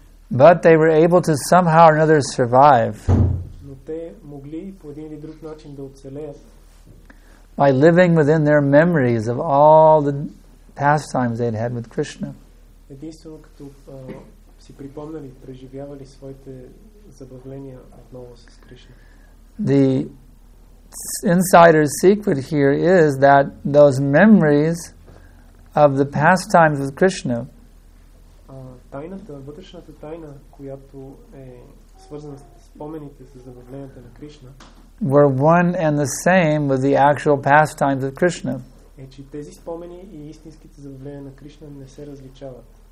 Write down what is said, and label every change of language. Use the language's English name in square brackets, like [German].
[English] But they were able to somehow or another survive by living within their memories of all the pastimes they had had with Krishna. [Bulgarian] Единствено като си припомнили, преживявали своите забавления отново с Кришна. [English] The insider's secret here is that those memories of the pastimes with Krishna. [Bulgarian] Тайната, вътрешната тайна, която е свързана с спомените с забавленията на Кришна, [English] were one and the same with the actual pastimes of Krishna. [Bulgarian] Е, че тези спомени и истинските забавления на Кришна не се различават.